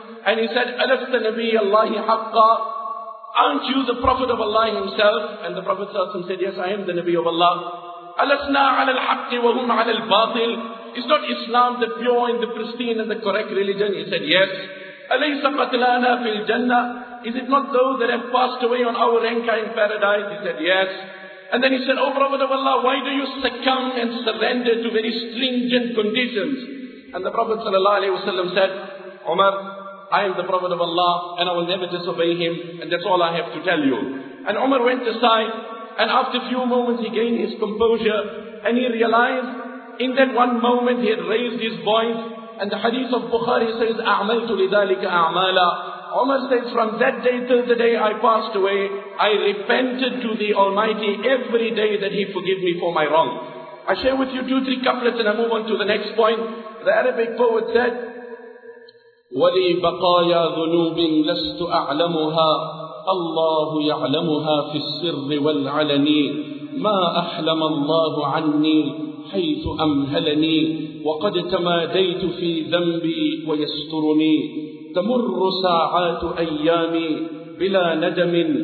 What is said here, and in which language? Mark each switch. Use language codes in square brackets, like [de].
[en] And he said, [ar] أَلَسْتَ نَبِيَ اللَّهِ حَقَّى. [en] Aren't you the Prophet of Allah himself? And the Prophet sallallahu alayhi wa sallam said, yes, I am the Nabi of Allah. [ar] أَلَسْنَا عَلَى الْحَقِّ وَهُمْ عَلَى الْبَاطِلِ. [en] Is not Islam the pure and the pristine and the correct religion? He said, yes. [ar] أَلَيْسَ قَتْلَانَا فِي الْجَنَّةِ. [en] Is it not those that have passed away on our rank in paradise? He said, yes. And then he said, oh Prophet of Allah, why do you succumb and surrender to very stringent conditions? And the Prophet ﷺ said, Umar, I am the Prophet of Allah and I will never disobey him, and that's all I have to tell you. And Umar went aside, and after a few moments he gained his composure and he realized in that one moment he had raised his voice. And the hadith of Bukhari says, [ar] أَعْمَلْتُ لِذَلِكَ أَعْمَالًا. [en] Umar says, from that day till the day I passed away, I repented to the Almighty every day that he forgive me for my wrong. I share with you two, three couplets and I move on to the next point. The Arabic poet said, [ar] وَلِي بَقَايَا ذُنُوبٍ لَسْتُ أَعْلَمُهَا اللَّهُ يَعْلَمُهَا فِي السِّرِّ وَالْعَلَنِي مَا أَحْلَمَ اللَّهُ عَنِّي حَيْثُ أَمْهَلَنِي وَقَدْ تَمَادَيْتُ فِي ذَنْبِي وَيَسْتُرُنِي تمر ساعات أيامي بلا ندم